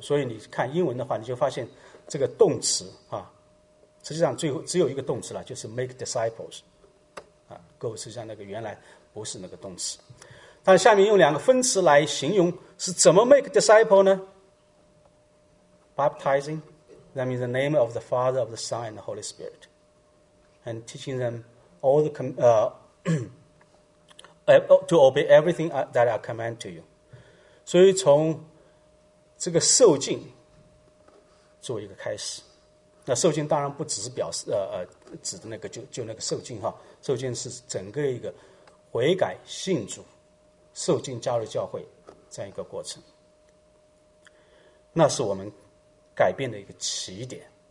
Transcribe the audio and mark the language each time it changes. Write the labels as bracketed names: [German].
[Chinese] 所以你看英文的话，你就发现这个动词实际上最后只有一个动词了，就是 [English] make disciples。 [Chinese] Go 实际上那个原来不是那个动词，但下面用两个分词来形容是怎么 [English] make disciple [Chinese] 呢？ [English] Baptizing them in the name of the Father, of the Son, and the Holy Spirit, and teaching them all the to obey everything that I command to you。 [Chinese] 所以从这个受浸做一个开始，那受浸当然不只是表示指的那个就那个受浸哈，受浸是整个一个悔改信主受浸加入教会这样一个过程，那是我们改变的一个起点。